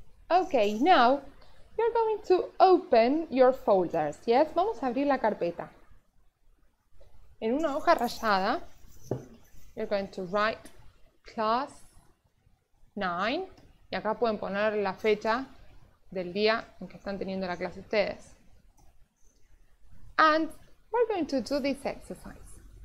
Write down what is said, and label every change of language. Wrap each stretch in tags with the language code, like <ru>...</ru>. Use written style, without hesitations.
<en>Okay, now, you're going to open your folders.</en> <es>Yes, vamos a abrir la carpeta. En una hoja rayada...</es> <en>You're going to write class 9.</en> <es>Y acá pueden poner la fecha del día en que están teniendo la clase ustedes.</es> <en>And we're going to do this exercise.</en>